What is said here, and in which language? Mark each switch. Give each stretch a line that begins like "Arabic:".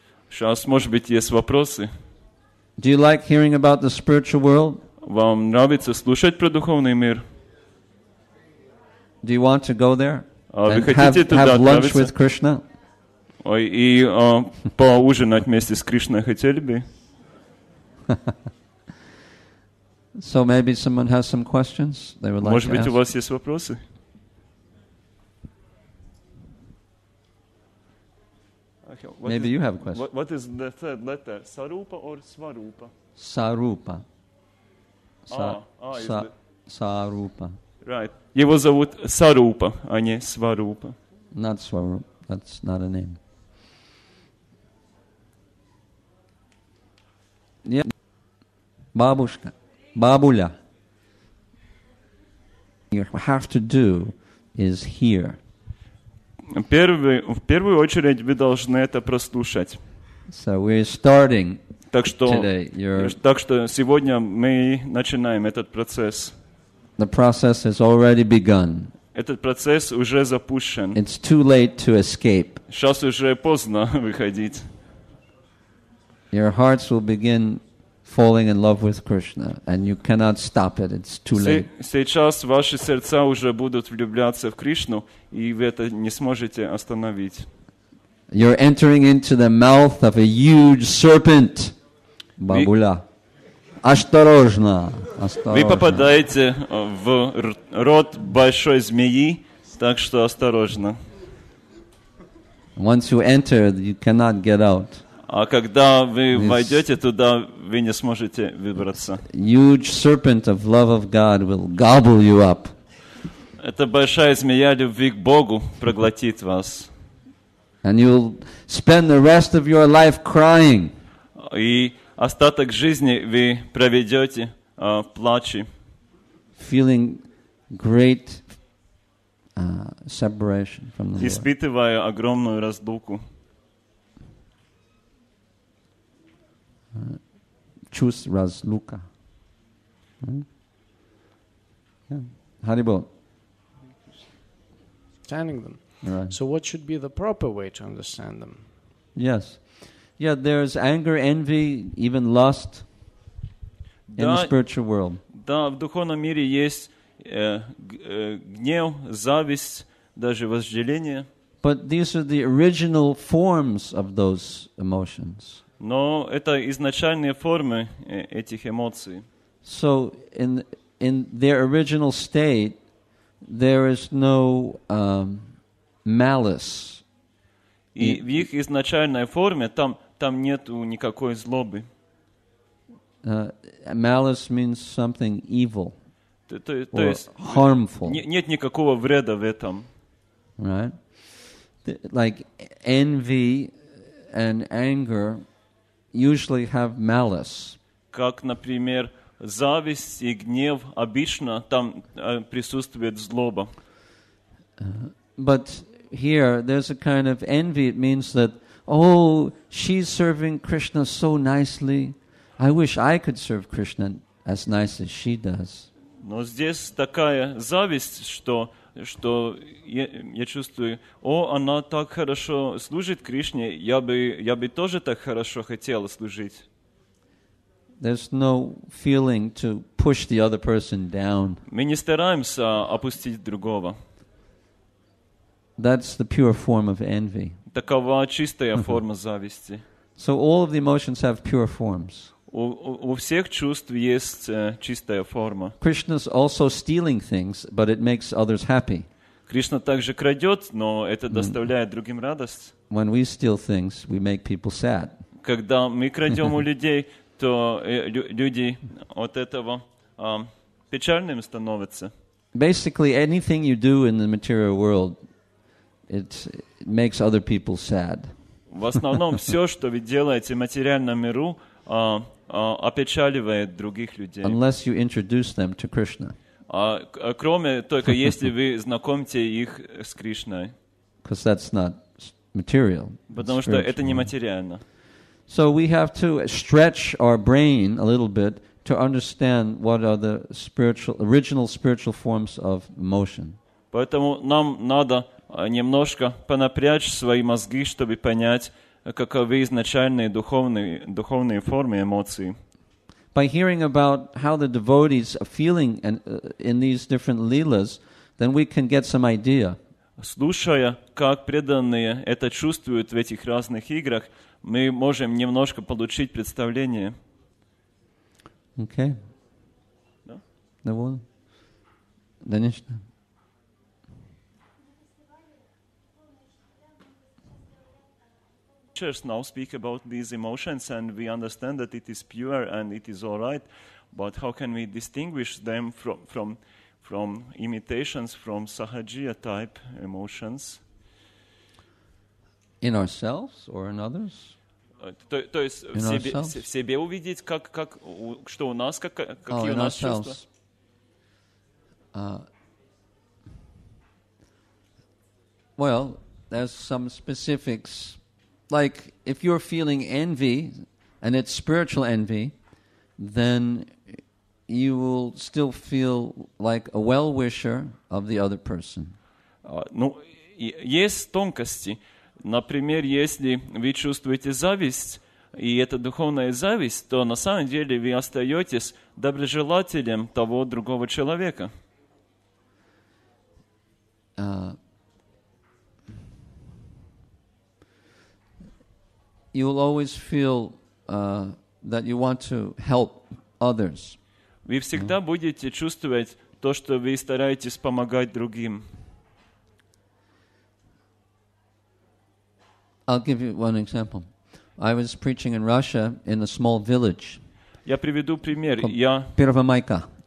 Russian: Сейчас, может быть, есть вопросы.
English: Do you like hearing about the spiritual world?
Russian: Вам нравится слушать про духовный мир?
English: Do you want to go there?
Russian: Вы хотите туда
English: have lunch with Krishna?
Russian: И поужинать вместе с Кришной хотели бы?
English: So maybe someone has some questions they would like
Russian: может быть,
English: to
Russian: у вас есть вопросы?
English: Okay, maybe you have a question. What is the third letter? Sarupa or Svarupa? Sarupa. Sarupa. Right.
Russian: Его зовут Сарупа, а не Сварупа.
English: Not Сварупа. That's not a name.
Russian: Yeah. Бабушка. Бабуля.
English: You have to do is hear.
Russian: В первую очередь вы должны это прослушать.
English: So we're starting
Russian: так что,
English: today.
Russian: Так что сегодня мы начинаем этот процесс.
English: The process has already begun.
Russian: Этот процесс уже запущен.
English: It's too late to escape.
Russian: Сейчас уже поздно выходить.
English: Your hearts will begin falling in love with Krishna, and you cannot stop it. It's too late.
Russian: Сейчас ваши сердца уже будут влюбляться в Кришну, и вы это не сможете остановить.
English: You're entering into the mouth of a huge serpent,
Russian: бабуля. Осторожно, осторожно. Вы попадаете в рот большой змеи, так что осторожно.
English: Once you enter, you cannot get out.
Russian: А когда вы войдете туда, вы не сможете выбраться.
English: Huge serpent of love of God will gobble you up.
Russian: Это большая змея любви к Богу проглотит вас.
English: And you'll spend the rest of your life crying.
Russian: И остаток жизни вы проведете в плаче.
English: Feeling great separation from the Lord.
Russian: Испытывая огромную разлуку. Чувств разлука. Хари Бол.
English: Understanding them. Right. So what should be the proper way to understand them? Yes. Yeah, there's anger, envy, even lust in the spiritual world.
Russian: Да, в духовном мире есть гнев, зависть, даже вожделение.
English: But these are the original forms of those emotions.
Russian: Но это изначальные формы этих эмоций.
English: So in their original state, there is no malice
Russian: И в их изначальной форме там нету никакой злобы.
English: Malice means something evil.
Russian: То есть
English: harmful.
Russian: Нет никакого вреда в этом.
English: Right? Like envy and anger usually have malice.
Russian: Как, например, зависть и гнев обычно там присутствует злоба.
English: But here there's a kind of envy. It means that, oh, she's serving Krishna so nicely. I wish I could serve Krishna as nice as she does.
Russian: Но здесь такая зависть, что я чувствую, о, она так хорошо служит Кришне, я бы тоже так хорошо хотела служить.
English: There's no feeling to push the other person down.
Russian: Мы не стараемся опустить другого.
English: That's the pure form of envy.
Russian: Такова чистая форма зависти.
English: So all of the emotions have pure forms.
Russian: У всех чувств есть чистая форма.
English: Krishna's also stealing things, but it makes others happy.
Russian: Кришна также крадет, но это доставляет другим радость.
English: When we steal things, we make people sad.
Russian: Когда мы крадем у людей, то люди от этого печальным становятся.
English: Basically, anything you do in the material world, it makes other people sad.
Russian: В основном все, что вы делаете в материальном миру, опечаливает других людей.
English: Unless you introduce them to Krishna.
Russian: Кроме только если вы знакомите их с Кришной.
English: Because that's not material.
Russian: Потому что это не материально.
English: So we have to stretch our brain a little bit to understand what are the spiritual, original spiritual forms of emotion.
Russian: Поэтому нам надо немножко понапрячь свои мозги, чтобы понять, каковы изначальные духовные формы эмоций.
English: By hearing about how the devotees are feeling in these different leelas, then we can get some idea.
Russian: Слушая, как преданные это чувствуют в этих разных играх, мы можем немножко получить представление.
English: Okay.
Russian: Да? Довольно? Конечно.
English: Now speak about these emotions and we understand that it is pure and it is all right, but how can we distinguish them from imitations, from sahajiya type emotions? In ourselves or in others?
Russian: То есть в себе увидеть, как что у нас, какие у нас чувства?
English: Well, there's some specifics. Like, if you're feeling envy, and it's spiritual envy, then you will still feel like a well-wisher of the other person.
Russian: Ну, есть тонкости. Например, если вы чувствуете зависть, и это духовная зависть, то на самом деле вы остаетесь доброжелателем того другого человека.
English: You will always feel that you want to help others.
Russian: Вы всегда будете чувствовать то, что вы стараетесь помогать другим.
English: I'll give you one example. I was preaching in Russia in a small village.
Russian: Я приведу пример. Я Первомайка.